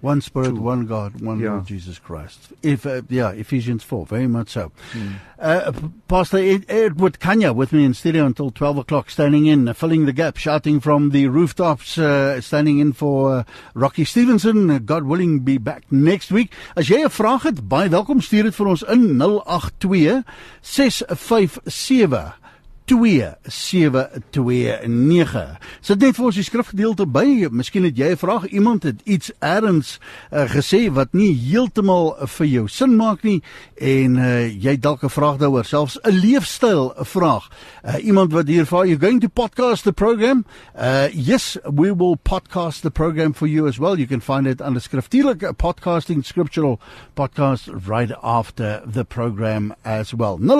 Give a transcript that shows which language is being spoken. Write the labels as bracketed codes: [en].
[en] One Spirit, to. One God, one Lord Jesus Christ. Ephesians 4, very much so. Mm. Pastor Edward Kanya with me in studio until 12 o'clock, standing in, filling the gap, shouting from the rooftops, standing in for Rocky Stevenson. God willing, be back next week. [af] As jy 'n vraag het, baie welkom, stuur dit vir ons in 082-657-2729. Sit net vir ons die skrifgedeelte by, miskien het jy 'n vraag, iemand het iets ergens gesê wat nie heeltemal vir jou sin maak nie, en jy het dalk 'n vraag daaroor, selfs 'n leefstyl vraag, iemand wat hier vra, [en] you're going to podcast the program? Yes, we will podcast the program for you as well, you can find it under skriftuurlik, podcasting, scriptural podcast, right after the program as well.